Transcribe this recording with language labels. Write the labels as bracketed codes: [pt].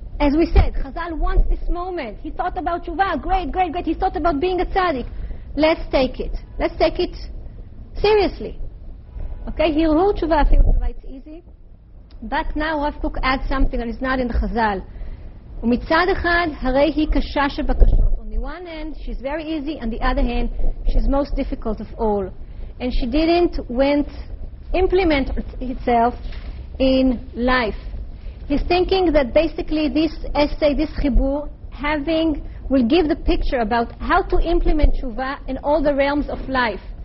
[en] As we said, Chazal wants this moment. He thought about tshuva. Great, great, great. He thought about being a tzaddik. Let's take it. Let's take it seriously. Okay, hirur tshuva, hirur tshuva, it's easy. But now Rav Kook adds something that is not in the Chazal. [he] ומצד אחד, הרי היא קשה שבקשות. [en] On the one hand, she's very easy. On the other hand, she's most difficult of all. And she didn't implement itself in life. He's thinking that basically this essay, this chibur, will give the picture about how to implement tshuva in all the realms of life.